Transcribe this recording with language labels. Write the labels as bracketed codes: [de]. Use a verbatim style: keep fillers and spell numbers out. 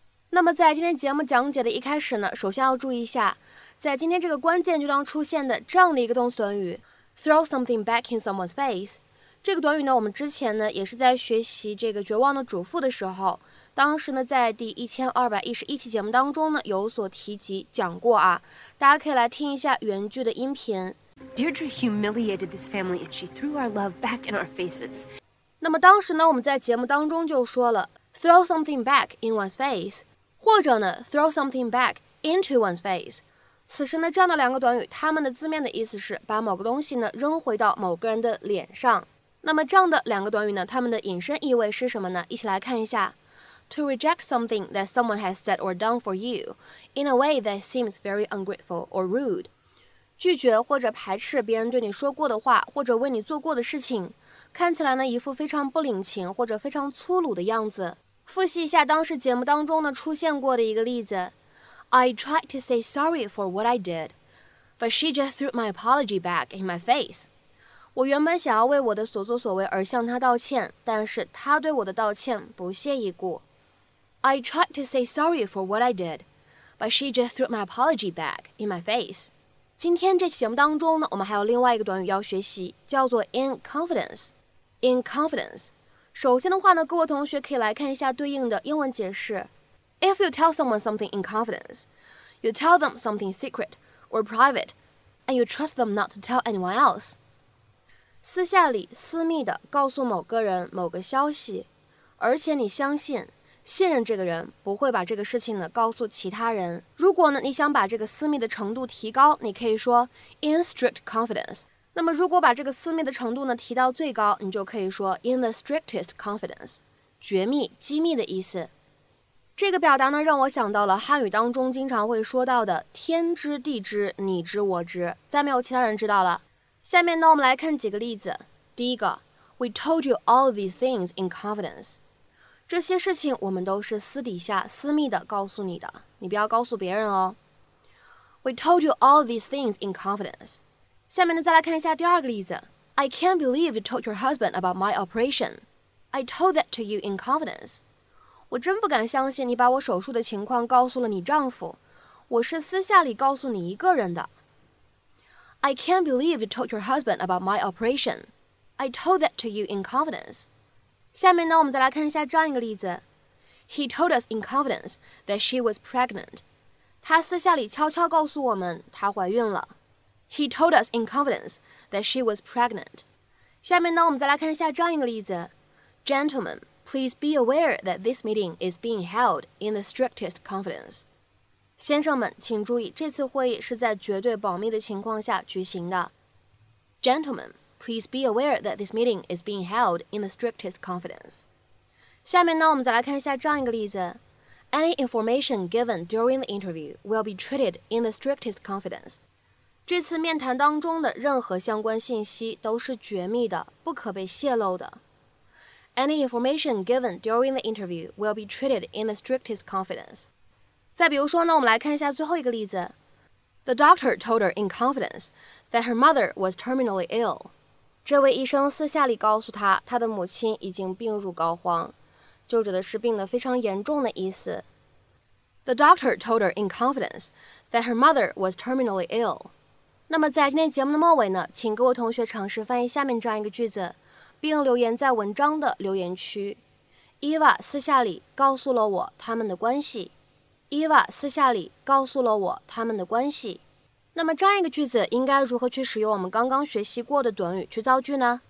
[zh] 那么在今天节目讲解的一开始呢，首先要注意一下，在今天这个关键句当中出现的这样的一个动词短语 [en] throw something back in someone's face。 [zh] 这个短语呢，我们之前呢也是在学习这个《绝望的主妇》的时候，当时呢在第一千二百一十一期节目当中呢有所提及讲过啊，大家可以来听一下原句的音频。 [en] Deirdre humiliated this family, and she threw our love back in our faces. [zh] 那么当时呢我们在节目当中就说了 [en] throw something back in one's face， [zh] 或者呢 [en] throw something back into one's face。 [zh] 此时呢这样的两个短语，它们的字面的意思是把某个东西呢扔回到某个人的脸上。那么这样的两个短语呢，它们的引申意味是什么呢？一起来看一下。 [en] To reject something that someone has said or done for you in a way that seems very ungrateful or rude. [zh] 拒绝或者排斥别人对你说过的话，或者为你做过的事情，看起来呢一副非常不领情或者非常粗鲁的样子。复习一下当时节目当中呢出现过的一个例子。 [en] I tried to say sorry for what I did, but she just threw my apology back in my face. [zh] 我原本想要为我的所作所为而向他道歉，但是他对我的道歉不屑一顾。 [en] I tried to say sorry for what I did, but she just threw my apology back in my face. [zh] 今天这期节目当中呢，我们还有另外一个短语要学习，叫做 in confidence。in confidence 首先的话呢，各位同学可以来看一下对应的英文解释。 [en] If you tell someone something in confidence, you tell them something secret or private, and you trust them not to tell anyone else. [zh] 私下里私密的告诉某个人某个消息，而且你相信信任这个人不会把这个事情呢告诉其他人。如果呢你想把这个私密的程度提高，你可以说 in strict confidence。那么如果把这个私密的程度呢提到最高，你就可以说 in the strictest confidence， 绝密机密的意思。这个表达呢让我想到了汉语当中经常会说到的天知地知你知我知，再没有其他人知道了。下面呢我们来看几个例子。第一个 [en] We told you all these things in confidence， [zh] 这些事情我们都是私底下私密的告诉你的，你不要告诉别人哦。 [en] We told you all these things in confidence。 [zh] 下面呢再来看一下第二个例子。 [en] I can't believe you told your husband about my operation. I told that to you in confidence。 [zh] 我真不敢相信你把我手术的情况告诉了你丈夫，我是私下里告诉你一个人的。 [en] I can't believe you told your husband about my operation. I told that to you in confidence. [zh] 下面呢我们再来看一下这样一个例子。 [en] He told us in confidence that she was pregnant. [zh] 他私下里悄悄告诉我们她怀孕了。 [en] He told us in confidence that she was pregnant. [zh] 下面呢我们再来看一下这样一个例子。 [en] Gentlemen,Please be aware that this meeting is being held in the strictest confidence. [zh] 先生们，请注意，这次会议是在绝对保密的情况下举行的。 [en] Gentlemen, please be aware that this meeting is being held in the strictest confidence. [zh] 下面呢，我们再来看一下这样一个例子。 [en] Any information given during the interview will be treated in the strictest confidence. [zh] 这次面谈当中的任何相关信息都是绝密的，不可被泄露的。 [en] Any information given during the interview will be treated in the strictest confidence. [zh] 再比如说呢，我们来看一下最后一个例子。 [en] The doctor told her in confidence that her mother was terminally ill. [zh] 这位医生私下里告诉她，她的母亲已经病入膏肓，就指的是病得非常严重的意思。 [en] The doctor told her in confidence that her mother was terminally ill. [zh] 那么在今天节目的末尾呢，请各位同学尝试翻译下面这样一个句子，并留言在文章的留言区。伊娃私下里告诉了我他们的关系。伊娃私下里告诉了我他们的关系。那么这样一个句子应该如何去使用我们刚刚学习过的短语去造句呢？